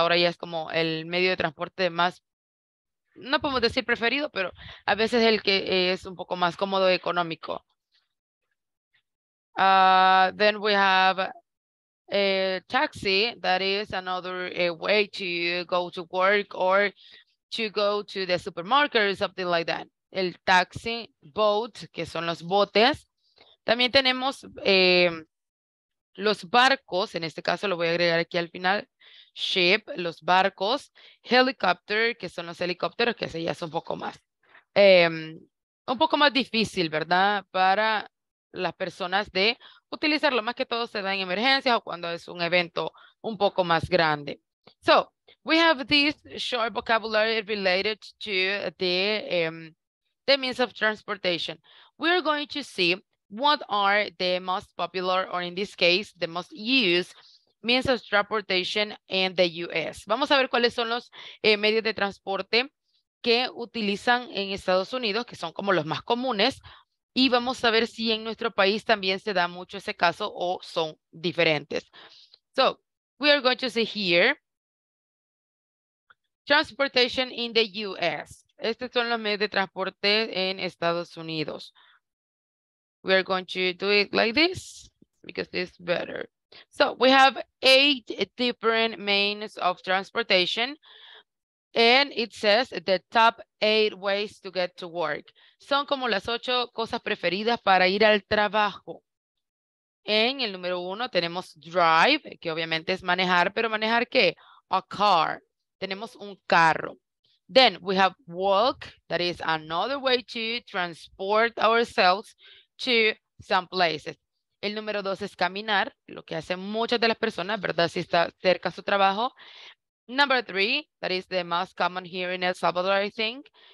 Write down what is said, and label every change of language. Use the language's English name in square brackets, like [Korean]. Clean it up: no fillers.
[Spanish] Ahora ya es como el medio de transporte más, no podemos decir preferido, pero a veces el que es un poco más cómodo y económico. [English] Then we have a taxi, that is another way to go to work or to go to the supermarket or something like that. [Spanish] El taxi, boat, que son los botes. También tenemos los barcos, en este caso lo voy a agregar aquí al final, ship, los barcos, helicopter, que son los helicópteros, que ese ya es un poco más difícil, ¿verdad? Para las personas de utilizarlo, más que todo se da en emergencias o cuando es un evento un poco más grande. [English] So, we have this short vocabulary related to the means of transportation. We are going to see what are the most popular, or in this case, the most used means of transportation in the US. [Spanish] Vamos a ver cuáles son los medios de transporte que utilizan en Estados Unidos, que son como los más comunes. Y vamos a ver si en nuestro país también se da mucho ese caso o son diferentes. [English] So, we are going to see here. Transportation in the U.S. [Spanish] Estos son los medios de transporte en Estados Unidos. [English] We are going to do it like this because this is better. So, we have 8 different means of transportation. And it says the top 8 ways to get to work. [Spanish] Son como las 8 cosas preferidas para ir al trabajo. En el número 1 tenemos drive, que obviamente es manejar, pero ¿manejar qué? [English] A car. [Spanish] Tenemos un carro. [English] Then we have walk, that is another way to transport ourselves to some places. [Spanish] El número 2 es caminar, lo que hacen muchas de las personas, ¿verdad? Si está cerca a su trabajo. [English] Number 3, that is the most common here in El Salvador, I think.